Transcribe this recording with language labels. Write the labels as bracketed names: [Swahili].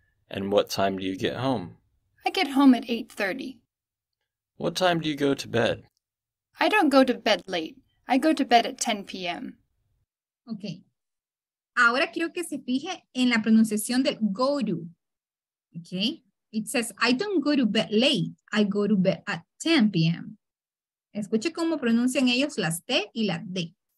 [English] And what time do you get home? I get home at 8:30. What time do you go to bed? I don't go to bed late. I go to bed at 10 p.m. Okay. [Spanish] Ahora quiero que se fije en la pronunciación del go to. [English] Okay. It says, I don't go to bed late. I go to bed at 10 p.m. [Spanish] Escuche cómo pronuncian ellos las T y la D.